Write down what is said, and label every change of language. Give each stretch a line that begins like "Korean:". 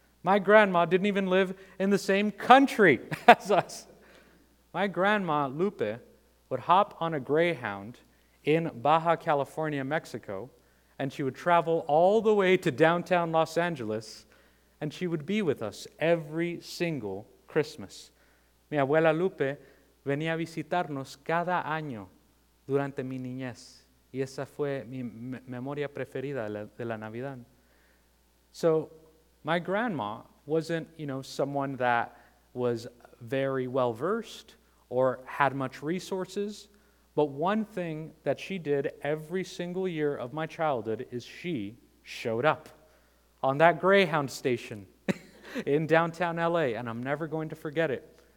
English: My grandma didn't even live in the same country as us. My grandma, Lupe, would hop on a Greyhound in Baja California, Mexico, and she would travel all the way to downtown Los Angeles, and she would be with us every single Christmas.
Spanish: Mi abuela Lupe venía a visitarnos cada año durante mi niñez. Y esa fue mi memoria preferida de la Navidad.
English: So, my grandma wasn't, you know, someone that was very well-versed or had much resources. But one thing that she did every single year of my childhood is she showed up on that Greyhound station in downtown LA, and I'm never going to forget it.